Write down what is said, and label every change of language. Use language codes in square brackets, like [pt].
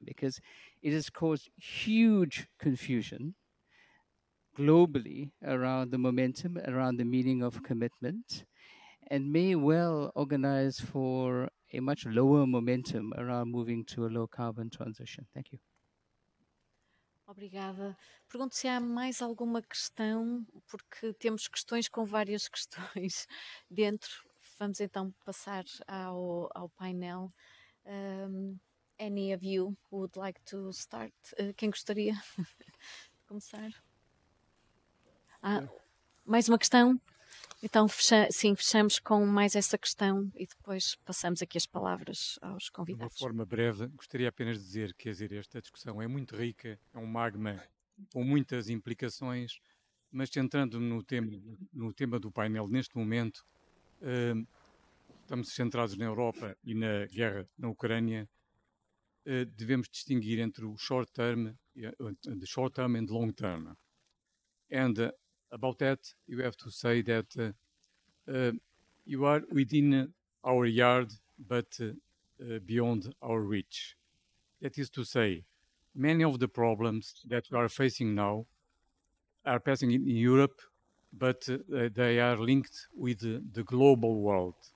[en] Because it has caused huge confusion globally around the momentum, around the meaning of commitment, and may well organize for a much lower momentum around moving to a low carbon transition. Thank you. [pt] Obrigada. Pergunto se há mais alguma questão, porque temos questões com várias questões dentro. Vamos então passar ao painel. [en] Any of you would like to start? [pt] Quem gostaria de começar? Mais uma questão? Então, fechamos com mais essa questão e depois passamos aqui as palavras aos convidados. De uma forma breve, gostaria apenas de dizer que, quer dizer, esta discussão é muito rica, é um magma com muitas implicações, mas centrando-me no tema do painel neste momento, estamos centrados na Europa e na guerra na Ucrânia, devemos distinguir entre o [en] short term and long term. And about that, you have to say that you are within our yard, but beyond our reach. That is to say, many of the problems that we are facing now are passing in Europe, but they are linked with the global world.